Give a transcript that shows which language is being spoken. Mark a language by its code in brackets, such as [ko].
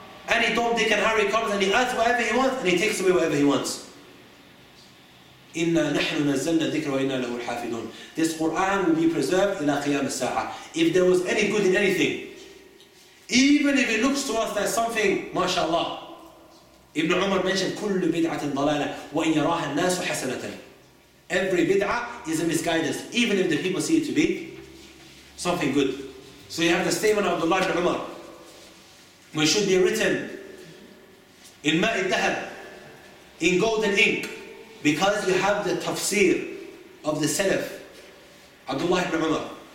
[en] Any Tom, Dick and Harry comes and he adds whatever he wants and he takes away whatever he wants. [ar] إِنَّا نَحْنُ نَزَّلْنَا ذِكْرَ وَإِنَّا لَهُ الْحَافِظُونَ. [en] This Qur'an will be preserved [ar] إِلَىٰ قِيَامِ السَّاعَةِ. [en] If there was any good in anything, even if it looks to us like something, mashallah. Ibn Umar mentioned, [ar] كُلُّ بِدْعَةٍ ضَلَالَةٍ وَإِنْ يَرَاهَا النَّاسُ حَسَنَةً. [en] Every bid'ah is a misguidance, even if the people see it to be something good. So you have the statement of Abdullah ibn Umar, which should be written in [ar] ma'i dahab, [en] in golden ink, because you have the tafsir of the Salaf, Abdullah ibn Umar.